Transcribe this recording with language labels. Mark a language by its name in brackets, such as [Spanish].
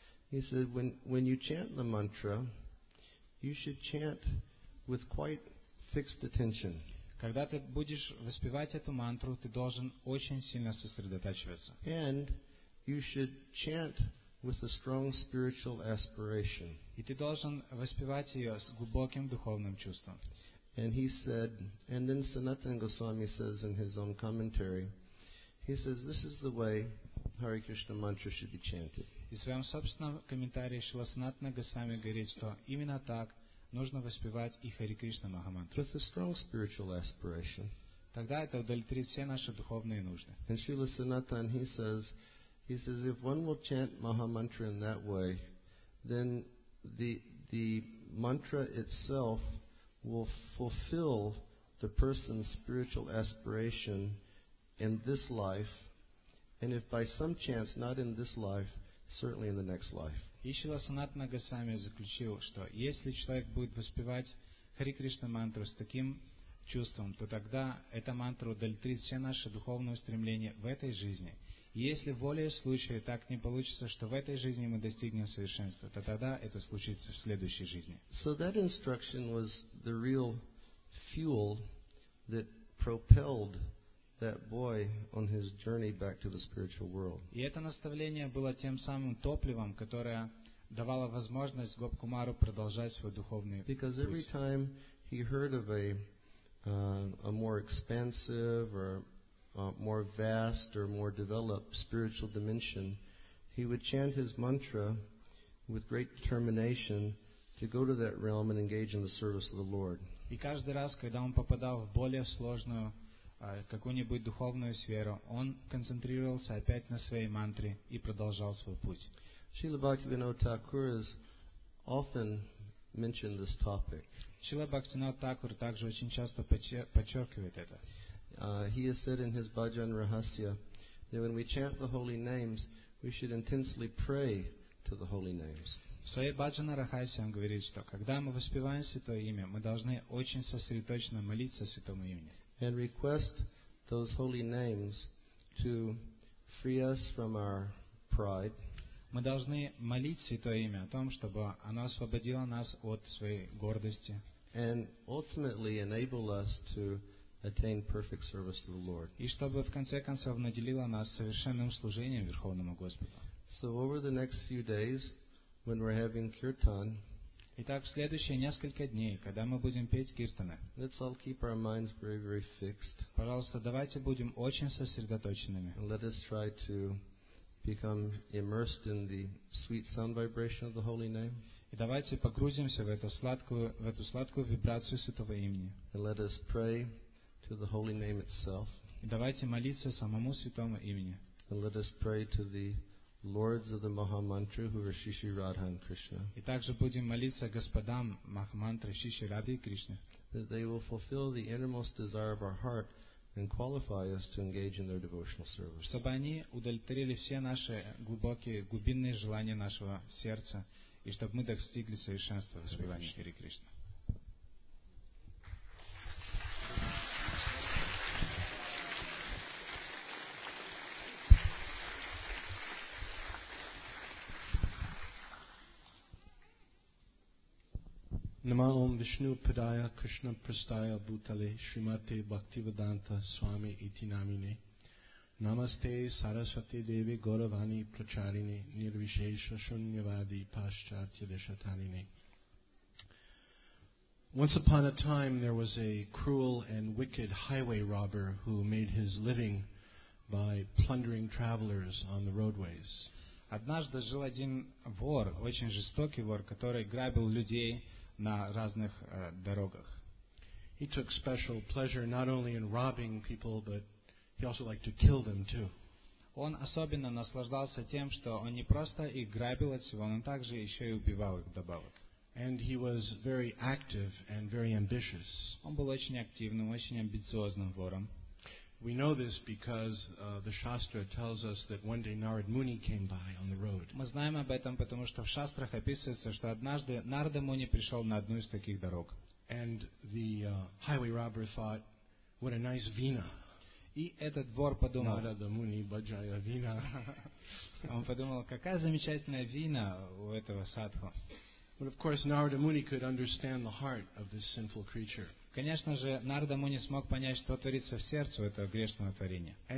[English] He said, when you chant the mantra, you should chant with quite fixed attention. [Russian] Когда ты будешь воспевать эту мантру, ты должен очень сильно сосредотачиваться. [English] And you should chant with a strong spiritual aspiration. [Russian] И ты должен воспевать ее с глубоким духовным чувством. [English] And he said, and then Sanatana Goswami says in his own commentary, he says, this is the way Hare Krishna mantra should be chanted. [Russian] И в своем собственном комментарии Шрила Санатана Госвами говорит, что именно так нужно воспевать и Хари Кришна Махамантру. [English] With a strong spiritual aspiration. [Russian] Тогда это удовлетворит все наши духовные нужды. [English] And Shrila Sanatana, he says, if one will chant Mahamantra in that way, then the mantra itself will fulfill the person's spiritual aspiration in this life, and if by some chance not in this life, certainly in the next life. [Russian] Ишила Санатана Госвами заключил, что если человек будет воспевать Хари Кришна мантру с таким чувством, то тогда эта мантра удовлетворит все наши духовные устремления в этой жизни. И если волею случая так не получится, что в этой жизни мы достигнем совершенства, то тогда это случится в следующей жизни. [English] So that instruction was the real fuel that propelled that boy on his journey back to the spiritual world. [Russian] И это наставление было тем самым топливом, которое давало возможность Гоп Кумару продолжать свой духовный путь. [English] Because every time he heard of a more expansive or more vast or more developed spiritual dimension, he would chant his mantra with great determination to go to that realm and engage in the service of the Lord. [Russian] И каждый раз, когда он попадал в более сложную какую-нибудь духовную сферу, он концентрировался опять на своей мантре и продолжал свой путь. [English] Srila Bhaktivinoda Thakur has often mentioned this topic. [Russian] Srila Bhaktivinoda Thakur также очень часто подчеркивает это. [English] He has said in his Bhajan Rahasya that when we chant the holy names, we should intensely pray to the holy names. [Russian] В своей Баджана Рахасе он говорит, что когда мы воспеваем Святое Имя, мы должны очень сосредоточенно молиться Святому Имени. [English] And request those holy names to free us from our pride. [Russian] Мы должны молить Святое Имя о том, чтобы оно освободило нас от своей гордости. [English] And ultimately enable us to attain perfect service to the Lord. [Russian] И чтобы в конце концов наделила нас совершенным служением Верховному Господу. [English] So over the next few days, when we're having kirtan, [Russian] итак, в следующие несколько дней, когда мы будем петь киртаны, [English] let's all keep our minds very, very fixed. [Russian] Пожалуйста, давайте будем очень сосредоточенными. [English] Let us try to become immersed in the sweet sound vibration of the holy name. [Russian] И давайте погрузимся в эту сладкую вибрацию святого имени. [English] And let us pray to the holy name itself. [Russian] И давайте молиться самому святому имени. [English] And let us pray to the lords of the Mahamantra who are Shishi Radha and Krishna. [Russian] И также будем молиться господам Махамантры Шиши Радхи и Кришны. [English] That they will fulfill the innermost desire of our heart and qualify us to engage in their devotional service. [Russian] Чтобы они удовлетворили все наши глубокие глубинные желания нашего сердца и чтобы мы достигли совершенства в воспевании Хари Кришна. [Sanskrit] Нама Ом Вишну Падая Кришна Прастая Бутале Шримате Бхактивиданта Свами Ити Намине Намасте Сарасвати Деви Горавани Прачарине Нирвишеша Шуньявади Пашчатья Дешатарине. [English] Once upon a time there was a cruel and wicked highway robber who made his living by plundering travelers on the roadways. [Russian] Однажды жил один вор, очень жестокий вор, который грабил людей на разных дорогах. [English] He took special pleasure not only in robbing people, but he also liked to kill them too. [Russian] Он особенно наслаждался тем, что он не просто их грабил от всего, но также еще и убивал их вдобавок. [English] And he was very active and very ambitious. [Russian] Он был очень активным, очень амбициозным вором. [English] We know this because the Shastra tells us that one day Narad Muni came by on the road. [Russian] Мы знаем об этом, потому что в шастрах описывается, что однажды Нарада Муни пришел на одну из таких дорог. [English] And the highway robber thought, what a nice vina. [Russian] И этот вор подумал, [Bangla] Narada Muni, bhajaya vina. [Russian] Он подумал, какая замечательная вина у этого садху. [English] But of course Narada Muni could understand the heart of this sinful creature. [Russian] Конечно же, Нарада Муни смог понять, что творится в сердце у этого грешного творения.